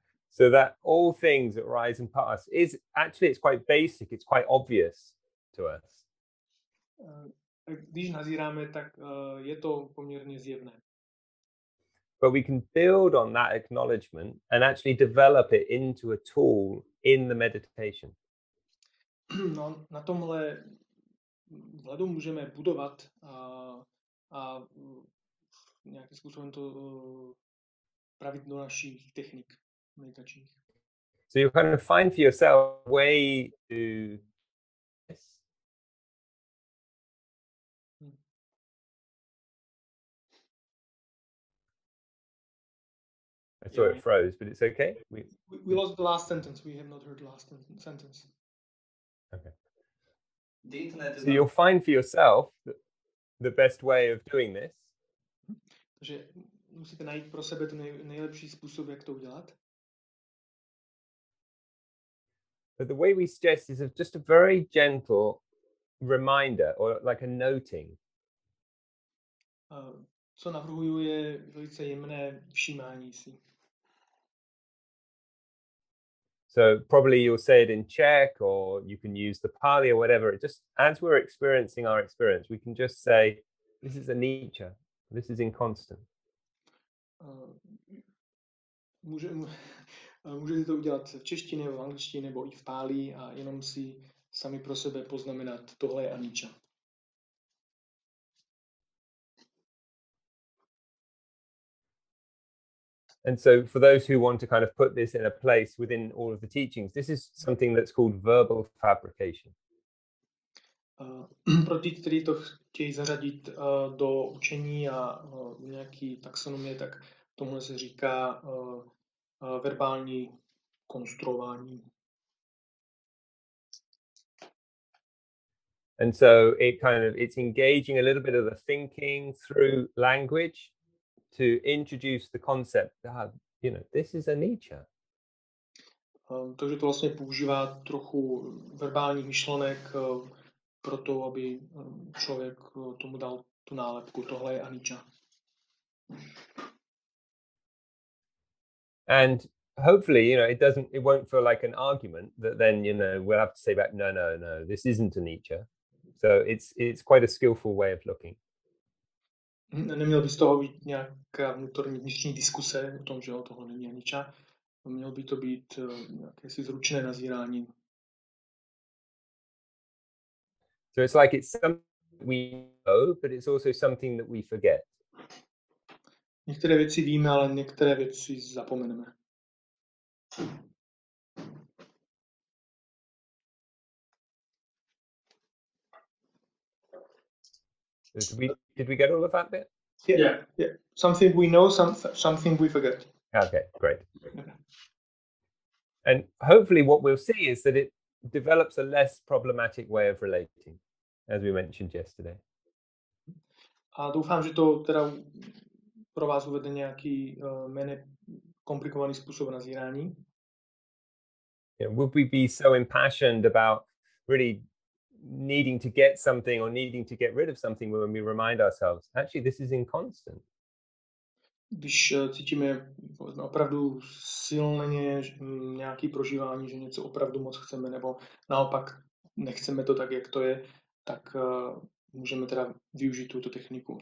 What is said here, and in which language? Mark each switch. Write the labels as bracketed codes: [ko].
[en] So that all things that rise and pass is actually, it's quite basic, it's quite obvious to us. [cs] Když nazíráme, tak je to poměrně zjevné. [en] But we can build on that acknowledgement and actually develop it into a tool in the meditation. [cs] No, na tomhle vhledu můžeme budovat a nějakým způsobem to pravit do našich technik meditačních. [en] So you kind of find for yourself a way to... So it froze, but it's okay. We lost the last sentence. We have not heard the last sentence. Okay. The internet is so you'll find for yourself the best way of doing this. [cs] Takže musíte najít pro sebe ten nejlepší způsob, jak to udělat. [en] But the way we suggest is of just a very gentle reminder or like a noting. [cs] Co navrhuju, je velice jemné všímání si. [en] So probably you'll say it in Czech, or you can use the Pali or whatever. It just, as we're experiencing our experience, we can just say, this is Aniccā, this is inconstant. [cs] Můžete to udělat v češtině, v angličtině, nebo i v Pali a jenom si sami pro sebe poznamenat, tohle je Aniccā. [en] And so for those who want to kind of put this in a place within all of the teachings, this is something that's called verbal fabrication. [cs] Pro ty, kteří to chtějí zařadit do učení a nějaký taxonomie, tak tomu se říká verbální konstruování. [en] And so it kind of, it's engaging a little bit of the thinking through language to introduce the concept that, you know, this is Aniccā. [cs] Takže to vlastně používá trochu verbálních myšlenek pro to, aby člověk tomu dal tu nálepku, tohle je Aniccā. [en] And hopefully, you know, it won't feel like an argument that then, you know, we'll have to say back, no, this isn't Aniccā. So it's quite a skillful way of looking. [cs] Neměl by z toho být nějaká vnitřní diskuse o tom, že o toho není Aniccā. Mělo by to být nějaké si zručné nazírání. [en] So it's like it's something we know, but it's also something that we forget. [cs] Některé věci víme, ale některé věci zapomeneme. [en] Did we get all of that bit? Yeah. Something we know, something we forget. Okay, great. And hopefully what we'll see is that it develops a less problematic way of relating. as we mentioned yesterday. [cs] A doufám, že to teda pro vás uvede nějaký méně komplikovaný způsob nazírání. [en] Yeah, would we be so impassioned about really needing to get something or needing to get rid of something when we remind ourselves, actually, this is inconstant. [cs] Když cítíme opravdu silně nějaký prožívání, že něco opravdu moc chceme, nebo naopak nechceme to tak, jak to je, tak můžeme teda využít tuto techniku.